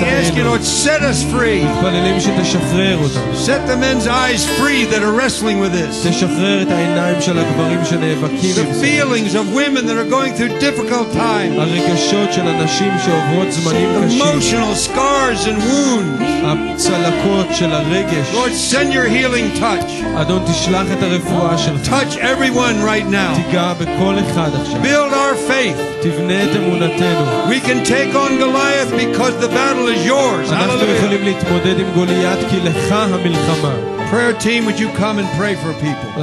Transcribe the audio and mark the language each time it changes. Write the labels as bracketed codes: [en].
[en] We ask you, Lord, set us free. [he] מתפללים שתשחרר אותנו. [en] Set the men's eyes free that are wrestling with this. [he] תשחרר את העיניים של הגברים שנאבקים עם זה. [en] The feelings of women that are going through difficult times. [he] הרגשות של הנשים שעוברות זמנים קשים. [en] The emotional scars and wounds. [he] הצלקות של הרגש. [en] Lord, send your healing touch. [he] אדון, תשלח את הרפואה שלך. [en] Touch everyone right now. [he] תיגע בכל אחד עכשיו. [en] Build our faith. [he] תבנה את אמונתנו. [en] We can take on Goliath because the battle is yours. [he] אנחנו יכולים להתמודד עם גוליית כי לך המלחמה. [en] Prayer team, would you come and pray for people?